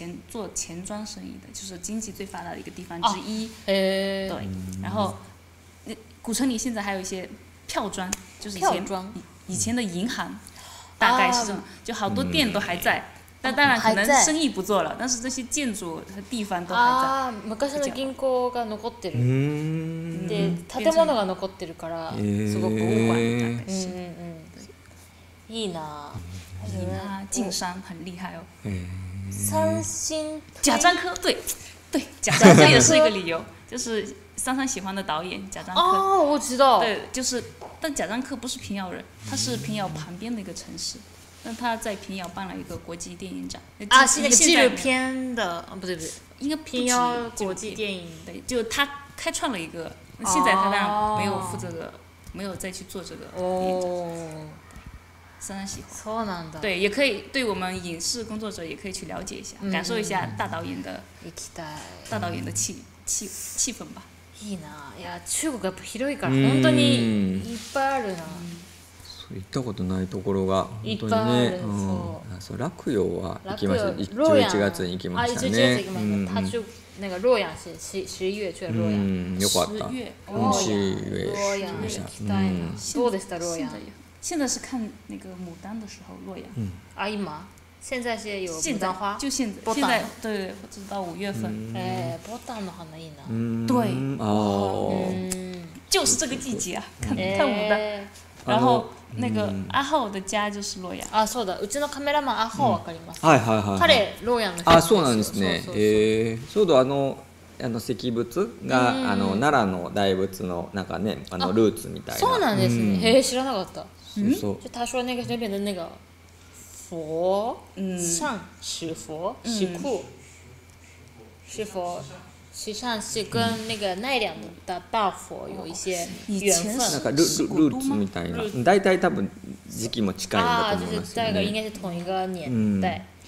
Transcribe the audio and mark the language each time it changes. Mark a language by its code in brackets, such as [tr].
[zh] 做钱庄生意的，就是经济最发达的一个地方之一。哦，对，然后古城里现在还有一些票庄，就是以前的银行，大概是这种，啊，就好多店都还在。嗯，但当然可能生意不做了，但是这些建筑和地方都还在。 [ja] 啊，昔の銀行が残ってる。嗯。で、建物が残ってるから、すごく豪華になったし。嗯嗯。いいな。いいな。 [zh] 晋商很厉害哦。嗯。三星贾樟柯，对对，贾樟柯也是一个理由，就是珊珊喜欢的导演贾樟柯。哦，我知道。对，就是，但贾樟柯不是平遥人，他是平遥旁边的一个城市，但他在平遥办了一个国际电影展。啊，是那个纪录片的，不对，应该平遥国际电影。对，就他开创了一个，现在他当然没有负责的，没有再去做这个电影展。哦。喜欢，对，也可以对我们影视工作者也可以去了解一下，感受一下大导演的，大导演的气氛吧。 [ja] いいな、いや、中国やっぱ広いから本当にいっぱいあるな。行ったことないところが本当にね。そう、洛陽は行きました。 11月に行きましたね。 [zh] 那个洛阳是十一月去了洛阳。 [ja] よかった。 [zh] 十一月。洛阳行 [ja] きたいな。どうでした洛阳？ [zh] 现在是看那个牡丹的时候，洛阳。嗯。阿姨妈，现在是有牡丹花。就现在。现在对，就是到5月份。哎，牡丹的很美呢。嗯。对。哦。就是这个季节啊，看牡丹。然后那个阿浩的家就是洛阳。 [ja] 啊，そうだ。うちのカメラマン阿浩わかります。はいはいはい。彼洛阳の。あ、そうなんですね。そうだ、あの石仏が、あの奈良の大仏のなんかね、あのルーツみたいな。そうなんですね。へえ、知らなかった。嗯， [zh] 就他说那个那边的那个佛，嗯，上是佛，是库，是佛，实际上是跟那个奈良的大佛有一些缘分。以前是古都吗？ [ja] 嗯，大体多分時期も近いんだと思います。 [zh] 啊，就是大概应该是同一个年代。